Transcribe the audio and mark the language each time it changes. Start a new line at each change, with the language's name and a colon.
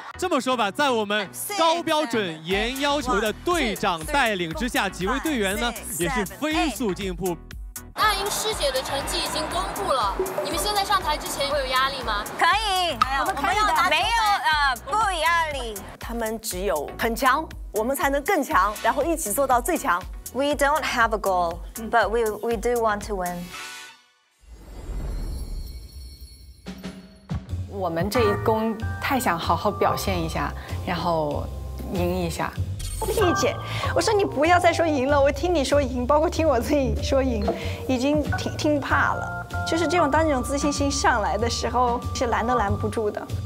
Chinese: 这么说吧，在我们高标准严要求的队长带领之下，几位队员呢也是飞速进步。那一听师姐的成绩已经公布了，你们现在上台之前会有压力吗？可以，我们可以的，没有不压力。他们只有很强，我们才能更强，然后一起做到最强。
English: We don't have a goal, but we do want to win.
Chinese: 我们这一宫太想好好表现一下，然后赢一下。丽姐，我说你不要再说赢了，我听你说赢，包括听我自己说赢，已经听怕了。就是这种当这种自信心上来的时候，是拦都拦不住的。